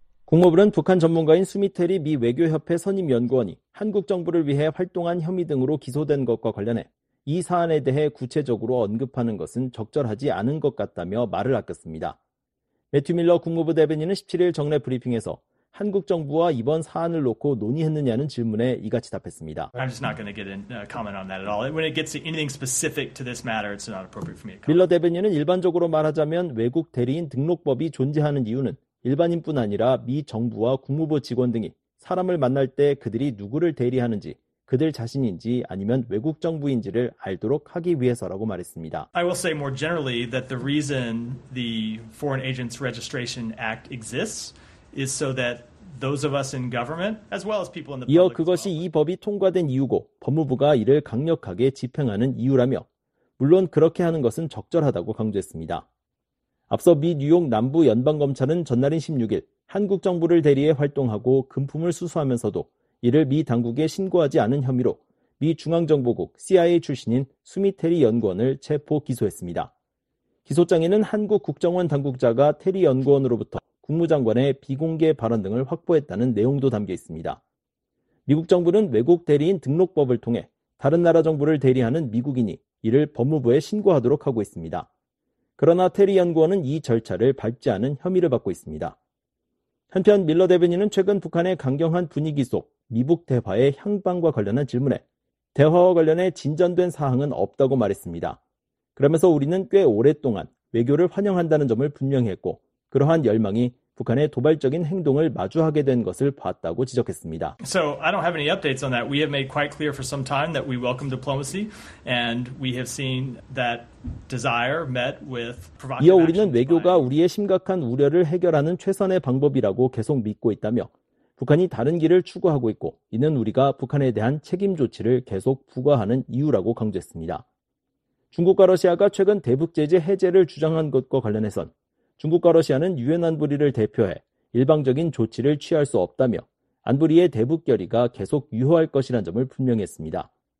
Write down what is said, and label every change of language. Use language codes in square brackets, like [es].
[ko] 국무부는 북한 전문가인 수미테리 미 외교협회 선임연구원이 한국 정부를 위해 활동한 혐의 등으로 기소된 것과 관련해 이 사안에 대해 구체적으로 언급하는 것은 적절하지 않은 것 같다며 말을 아꼈습니다. 매튜 밀러 국무부 대변인은 17일 정례 브리핑에서 한국 정부와 이번 사안을 놓고 논의했느냐는 질문에 이같이 답했습니다. [en] I'm just not going to get in comment on that at all. When it gets to anything specific to this matter, it's not appropriate for me. [ko] 밀러 대변인은 일반적으로 말하자면 외국 대리인 등록법이 존재하는 이유는 일반인뿐 아니라 미 정부와 국무부 직원 등이 사람을 만날 때 그들이 누구를 대리하는지 그들 자신인지 아니면 외국 정부인지를 알도록 하기 위해서라고 말했습니다. [en] I will say more generally that the reason the Foreign Agents Registration Act exists is so that those of us in government as well as people in the public. [ko] 이어 그것이 이 법이 통과된 이유고 법무부가 이를 강력하게 집행하는 이유라며 물론 그렇게 하는 것은 적절하다고 강조했습니다. 앞서 미 뉴욕 남부 연방검찰은 전날인 16일 한국 정부를 대리해 활동하고 금품을 수수하면서도 이를 미 당국에 신고하지 않은 혐의로 미 중앙정보국 CIA 출신인 수미 테리 연구원을 체포 기소했습니다. 기소장에는 한국 국정원 당국자가 테리 연구원으로부터 국무장관의 비공개 발언 등을 확보했다는 내용도 담겨 있습니다. 미국 정부는 외국 대리인 등록법을 통해 다른 나라 정부를 대리하는 미국인이 이를 법무부에 신고하도록 하고 있습니다. 그러나 테리 연구원은 이 절차를 밟지 않은 혐의를 받고 있습니다. 한편 밀러 대변인은 최근 북한의 강경한 분위기 속 미북 대화의 향방과 관련한 질문에 대화와 관련해 진전된 사항은 없다고 말했습니다. 그러면서 우리는 꽤 오랫동안 외교를 환영한다는 점을 분명히 했고 그러한 열망이 북한의 도발적인 행동을 마주하게 된 것을 봤다고 지적했습니다. [en] So I don't have any updates on that. We have made quite clear for some time that we welcome diplomacy and we have seen that desire met with provocative actions. [ko] 이어 우리는 외교가 우리의 심각한 우려를 해결하는 최선의 방법이라고 계속 믿고 있다며 북한이 다른 길을 추구하고 있고 이는 우리가 북한에 대한 책임 조치를 계속 부과하는 이유라고 강조했습니다. 중국과 러시아가 최근 대북 제재 해제를 주장한 것과 관련해선 중국과 러시아는 유엔 안보리를 대표해 일방적인 조치를 취할 수 없다며 안보리의 대북 결의가 계속 유효할 것이란 점을 분명했습니다.